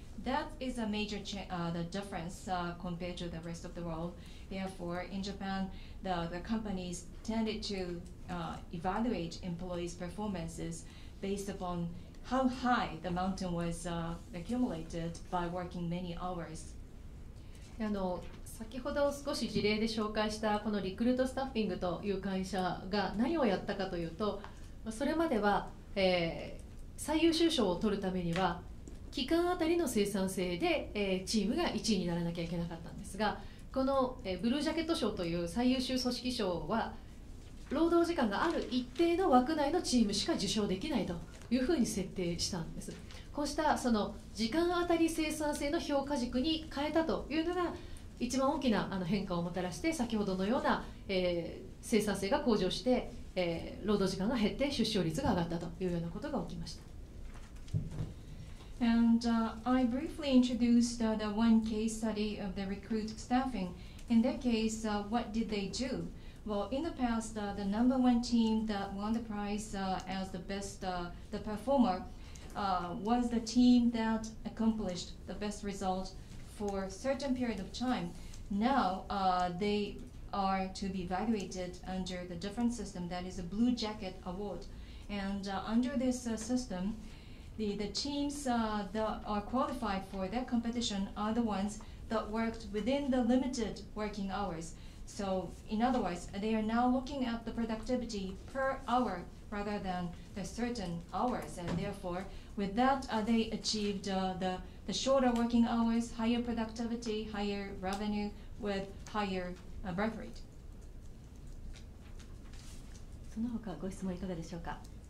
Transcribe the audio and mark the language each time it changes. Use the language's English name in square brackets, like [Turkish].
[English] That is a major the difference compared to the rest of the world. Therefore, in Japan, the companies tended to evaluate employees' performances based upon how high the mountain was accumulated by working many hours. [Japanese] 先ほど少し事例で紹介したこのリクルートスタッフィングという会社が何をやったかというと、それまでは、最優秀賞を取るためには期間あたりの生産性で、チームが1位にならなきゃいけなかったんですが、この、ブルージャケット賞という最優秀組織賞は労働時間がある一定の枠内のチームしか受賞できないというふうに設定したんです。こうしたその時間あたり生産性の評価軸に変えたというのが一番大きな変化をもたらして、先ほどのような、生産性が向上して、労働時間が減って出生率が上がったというようなことが起きました。 [English] And I briefly introduced the one case study of the recruit staffing. In that case, what did they do? Well, in the past, the number one team that won the prize as the best the performer was the team that accomplished the best result for a certain period of time. Now, they are to be evaluated under the different system, that is a Blue Jacket Award. And under this system,The teams that are qualified for that competition are the ones that worked within the limited working hours. So, in other words, they are now looking at the productivity per hour rather than the certain hours. And therefore, with that, they achieved the shorter working hours, higher productivity, higher revenue with higher birth rate. [Japanese] その他ご質問いかがでしょうか。